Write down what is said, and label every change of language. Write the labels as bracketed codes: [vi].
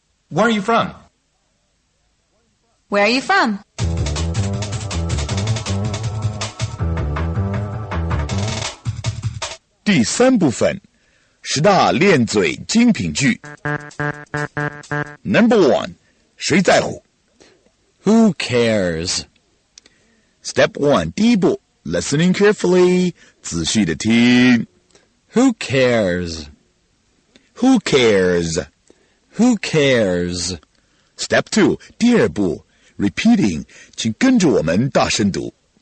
[en] Where are you from? Where are you from? Where are you from? [zh] 第三部分，十大练嘴精品句。 [en] Number one, [zh] 谁在乎？ [en] Who cares? Step one, [zh] 第一步。 [en] Listening carefully, [zh] 仔细地听。 [en] Who cares? Who cares? Who cares? Step two, [zh] 第二步 repeating, 请跟着我们大声读。